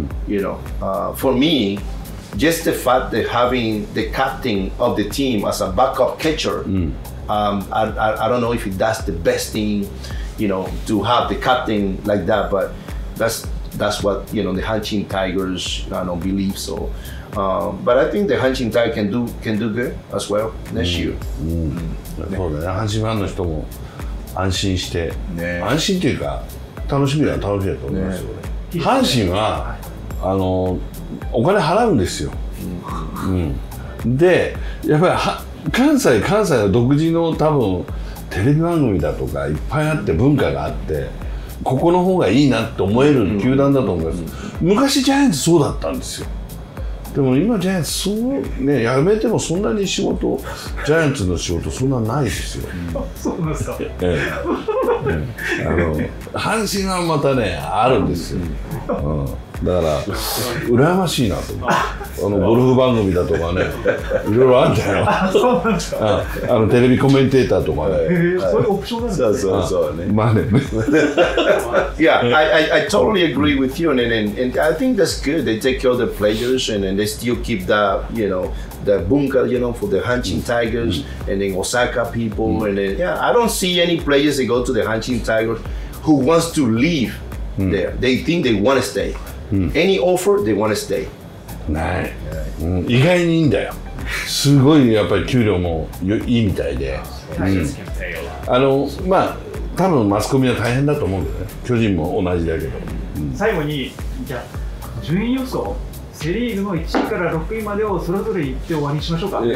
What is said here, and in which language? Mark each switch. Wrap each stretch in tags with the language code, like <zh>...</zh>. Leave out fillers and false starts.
<en>You know, for me, just the fact that having the captain of the team as a backup catcher, I don't know if that's the best thing, you know, to have the captain like that, but that's what, you know, the Hanshin Tigers, believe so. But I think the Hanshin Tigers can do good as well next year.</en> <ja>そうだね、阪神ファンの人も安心して、安心というか、楽しみは楽しみだと思いますよ。阪神は、お金払うんですよ、で、やっぱり関西の独自の多分テレビ番組だとかいっぱいあって、文化があって、ここの方がいいなって思える球団だと思います。昔ジャイアンツそうだったんですよ。でも今ジャイアンツそう、ね、やめてもそんなに仕事、ジャイアンツの仕事そんなないですよ。そうなんですか。阪神はまたね、あるんですよ。だから羨ましいなと思って。あのゴルフ番組だとかね、いろいろあるんだよ。あのテレビコメンテーターとかね。そういうオプションなんですね。そうそうそうね。まあね。</ja> <en>Yeah, I totally agree with you, and I think that's good. They take care of the players, and they still keep that, you know, the bunker, you know, for the Hanshin Tigers, and then Osaka people, and then yeah, I don't see any players that go to the Hanshin Tigers who wants to leave there. They think they want to stay. Any offer, they want to stay.</en> <ja>ない、意外にいいんだよ。すごいやっぱり給料もいいみたいで、あのまあ多分マスコミは大変だと思うんだよね。巨人も同じだけど、最後にじゃあ順位予想、セリーグの1位から6位までをそれぞれ言って終わりにしましょうか。</ja>